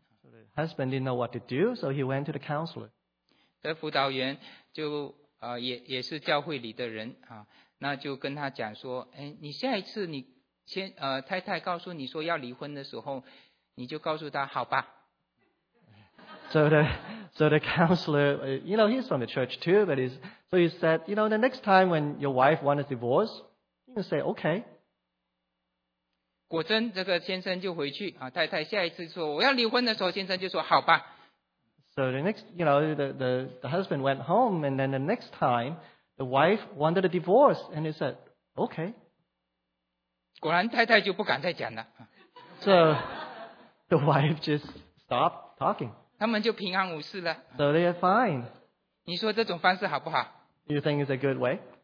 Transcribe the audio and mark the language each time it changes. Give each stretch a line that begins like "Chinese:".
English: So the husband didn't know what to do, so he went to the counselor.
Chinese: 这辅导员就也是教会里的人啊，那就跟他讲说，哎，你下一次你先太太告诉你说要离婚的时候。你就告诉他好吧。
English: So the counselor, you know, he's from the church too, but he's, so he said, you know, the next time when your wife wants a divorce, you can say, okay.
Chinese: 果真这个先生就回去，太太下一次说我要离婚的时候，先生就说好吧。
English: So the next, you know, the husband went home, and then the next time, the wife wanted a divorce, and he said, okay.
Chinese: 果然太太就不敢再讲了。
English: So,The wife just stopped talking.
Chinese: 他们就平安无事了。
English: So they are fine.
Chinese: 你说这种方式好不好？
English: Do you think it's a good way?